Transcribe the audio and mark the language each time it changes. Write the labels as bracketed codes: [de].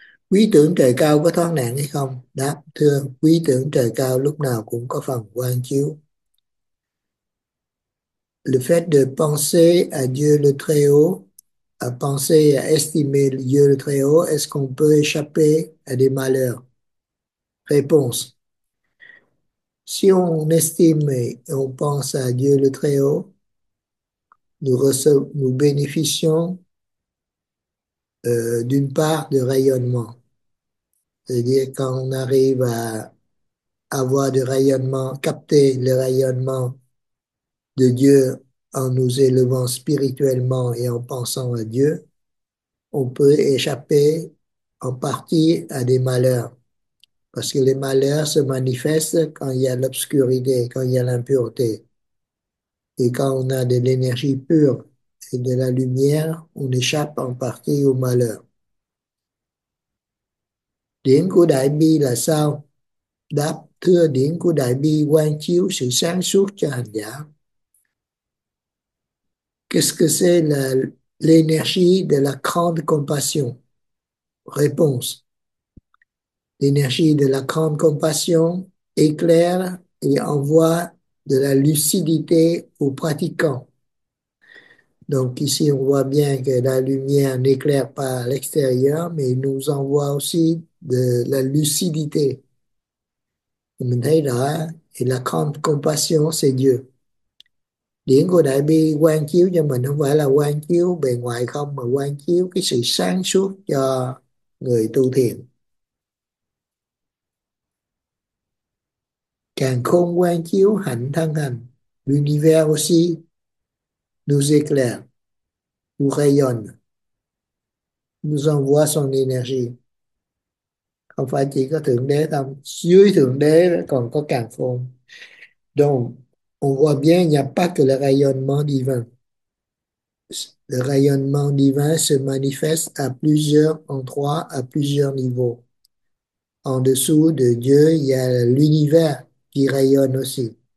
[vi] Quý tưởng trời cao có thoát nạn hay không? Đáp, thưa, quý tưởng trời cao lúc nào cũng có phần quang chiếu. [fr] Le fait de penser à Dieu le Très-Haut, à penser et à estimer Dieu le Très-Haut, est-ce qu'on peut échapper à des malheurs? Réponse. Si on estime et on pense à Dieu le Très-Haut, nous bénéficions d'une part de rayonnement. C'est-à-dire quand on arrive à avoir du rayonnement, capter le rayonnement de Dieu en nous élevant spirituellement et en pensant à Dieu, on peut échapper en partie à des malheurs. Parce que les malheurs se manifestent quand il y a l'obscurité, quand il y a l'impureté. Et quand on a de l'énergie pure et de la lumière, on échappe en partie aux malheurs. [vi] Điển của Đại Bi là sao? Đáp, thưa, điển của Đại Bi quang chiếu sự sáng suốt cho hành giả. [fr] Qu'est-ce que c'est là l'énergie de la grande compassion? Réponse. L'énergie de la grande compassion éclaire et envoie de la lucidité aux pratiquants. Donc ici, on voit bien que la lumière n'éclaire pas à l'extérieur, mais nous envoie aussi de la lucidité. [vi] Mình thấy rõ, [fr] et la grande compassion, c'est Dieu. [vi] Điển của Đại Bi quang chiếu cho mình không phải là quang chiếu bề ngoài không, mà quang chiếu cái sự sáng suốt cho người tu thiền. Càng khôn quang chiếu hạnh thân hành, [fr] l'univers aussi nous éclaire, nous rayonne, nous envoie son énergie. [vi] Không phải chỉ có Thượng Đế đâu, dưới Thượng Đế còn có càn khôn. [fr] Donc, on voit bien, il n'y a pas que le rayonnement divin. Le rayonnement divin se manifeste à plusieurs endroits, à plusieurs niveaux. En dessous de Dieu, il y a l'univers qui rayonne aussi.